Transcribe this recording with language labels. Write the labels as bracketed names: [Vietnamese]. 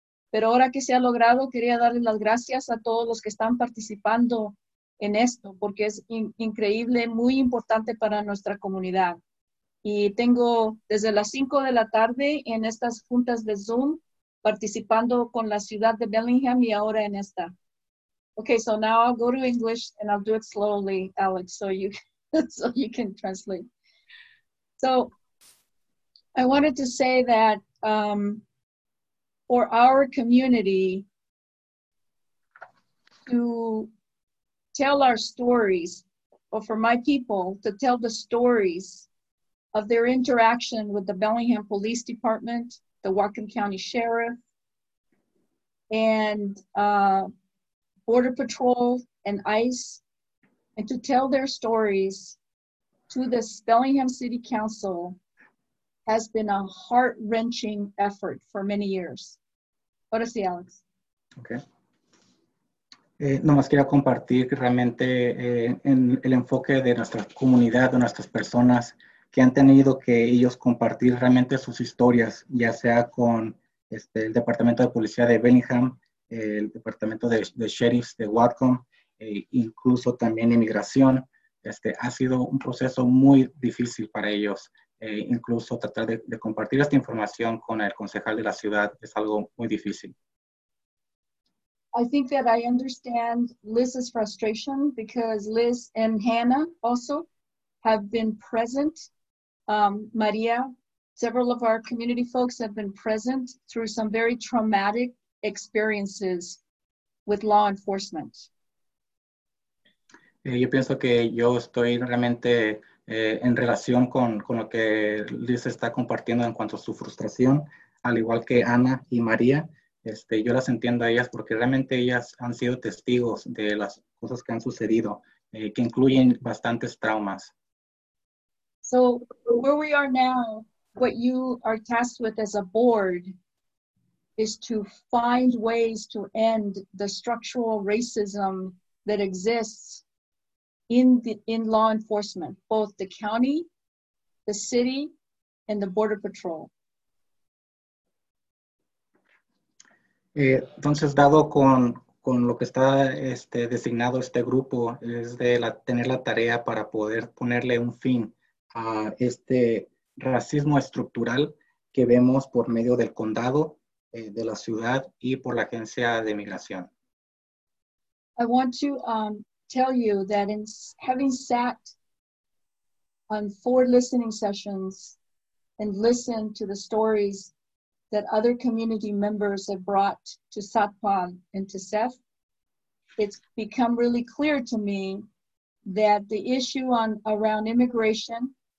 [Spanish] Pero ahora que se ha logrado, quería darles las gracias a todos los que están participando en esto, porque es increíble, muy importante para nuestra comunidad. Y tengo desde las 5 de la tarde en estas juntas de Zoom, participando con la ciudad de Bellingham y ahora en esta. [English] Okay, so now I'll go to English and I'll do it slowly, Alex, so you can translate. So I wanted to say that for our community to tell our stories, or for my people to tell the stories of their interaction with the Bellingham Police Department, the Whatcom County Sheriff, and Border Patrol and ICE, and to tell their stories to the Bellingham City Council has been a heart-wrenching effort for many years. [Spanish] Ahora sí, Alex. [English] Okay. [Spanish] Nomás quería compartir que realmente en el enfoque de nuestra comunidad, de nuestras personas que han tenido que ellos compartir realmente sus historias, ya sea con el Departamento de Policía de Bellingham, el Departamento de Sheriffs de Whatcom, incluso también Inmigración. Ha sido un proceso muy difícil para ellos, incluso tratar de compartir esta información con el concejal de la ciudad es algo muy difícil. [English] I think that I understand Liz's frustration because Liz and Hannah also have been present. Maria, several of our community folks have been present through some very traumatic experiences with law enforcement. [Spanish] Yo pienso que yo estoy realmente en relación con lo que Liz está compartiendo en cuanto a su frustración, al igual que Ana y María. Yo las entiendo a ellas porque realmente ellas han sido testigos de las cosas que han sucedido, que incluyen bastantes traumas. [English] So, where we are now, what you are tasked with as a board is to find ways to end the structural racism that exists in law enforcement, both the county, the city, and the border patrol. [Spanish] Entonces, dado con lo que está designado este grupo, es de tener la tarea para poder ponerle un fin a este racismo estructural que vemos por medio del condado, de la ciudad, y por la agencia de migración. [English] I want to tell you that in having sat on four listening sessions and listened to the stories that other community members have brought to Satpam and to SEF, it's become really clear to me that the issue on around immigration,